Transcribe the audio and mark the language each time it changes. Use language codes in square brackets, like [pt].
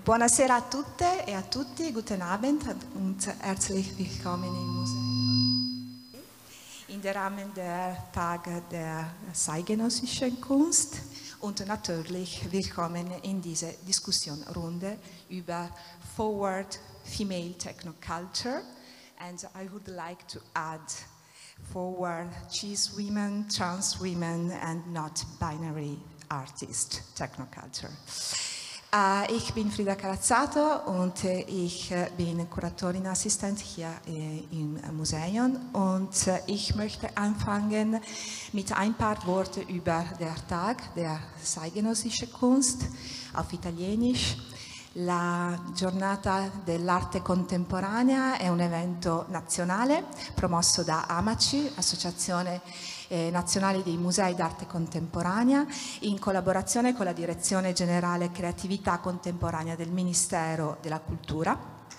[it] Buonasera a tutte e a tutti, [de] guten Abend und herzlich willkommen im Museum in der Rahmen der Tage der zeitgenössischen Kunst und natürlich willkommen in dieser Diskussionrunde über Forward Female Techno Culture. [en] And I would like to add Forward Cis Women, Trans Women and Not Binary Artist Techno Culture. [de] Ich bin Frida Carazzato und ich bin Kuratorin-Assistent hier im Museum und ich möchte anfangen mit ein paar Worten über den Tag der zeitgenössischen Kunst auf Italienisch. [it] La giornata dell'arte contemporanea è un evento nazionale promosso da AMACI, Associazione Nazionale dei Musei d'Arte Contemporanea, in collaborazione con la Direzione Generale Creatività Contemporanea del Ministero della Cultura,